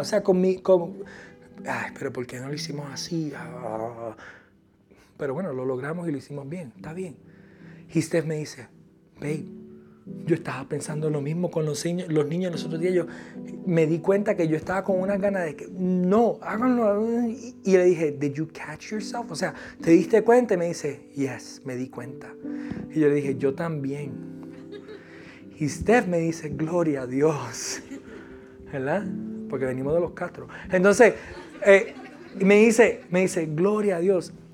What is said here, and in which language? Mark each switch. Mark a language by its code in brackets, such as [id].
[es] O sea, ay, pero ¿por qué no lo hicimos así? Pero bueno, lo logramos y lo hicimos bien. Está bien. Y Steph me dice, babe, yo estaba pensando lo mismo con los niños los otros días. Yo me di cuenta que yo estaba con unas ganas de que, no, háganlo. Y le dije, [en] did you catch yourself? [es] O sea, ¿te diste cuenta? Y me dice, [en] yes, [es] me di cuenta. Y yo le dije, yo también. Y Steph me dice, gloria a Dios. ¿Verdad? Porque venimos de los Castro. Entonces, me dice, gloria a Dios.